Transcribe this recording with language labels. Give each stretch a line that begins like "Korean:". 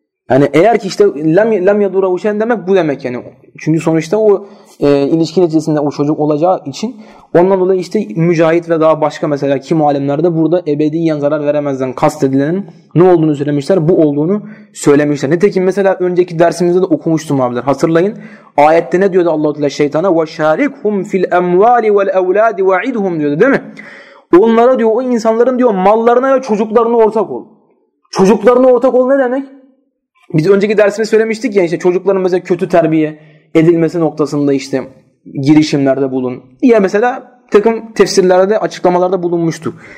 Turkish: Yani eğer ki işte lam yadura uşen demek bu demek yani. Çünkü sonuçta o ilişki neticesinde o çocuk olacağı için ondan dolayı işte mücahit ve daha başka mesela kim alemlerde burada ebediyen zarar veremezden kast edilenin ne olduğunu söylemişler. Bu olduğunu söylemişler. Nitekim mesela önceki dersimizde de okumuştum abiler. Hatırlayın. Ayette ne diyordu Allah-u Teala şeytana?
Arabic: وَشَارِكْهُمْ فِي الْاَمْوَالِ وَالْاَوْلَادِ وَعِدْهُمْ
Turkish: diyordu değil mi? Onlara diyor o insanların diyor mallarına ve çocuklarına ortak ol. Çocuklarına ortak ol ne demek? Biz önceki dersimde söylemiştik ya işte çocukların mesela kötü terbiye edilmesi noktasında işte girişimlerde bulun diye mesela takım tefsirlerde açıklamalarda bulunmuştuk.